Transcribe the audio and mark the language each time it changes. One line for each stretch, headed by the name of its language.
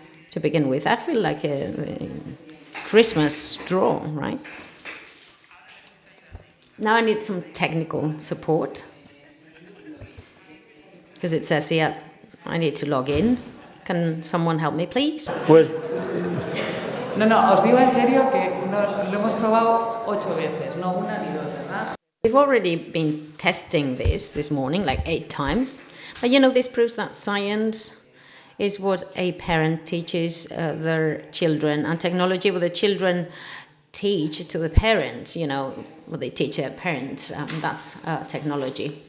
English: To begin with, I feel like a Christmas draw, right? Now I need some technical support. Because it says here, I need to log in. Can someone help me, please? Well,
Spanish: no, no, os digo en serio que no, lo hemos probado 8 veces, no una ni dos.
English: We've already been testing this morning, like 8 times. But you know, this proves that science is what a parent teaches their children, and technology what the children teach to the parents, you know, what they teach their parents, that's technology.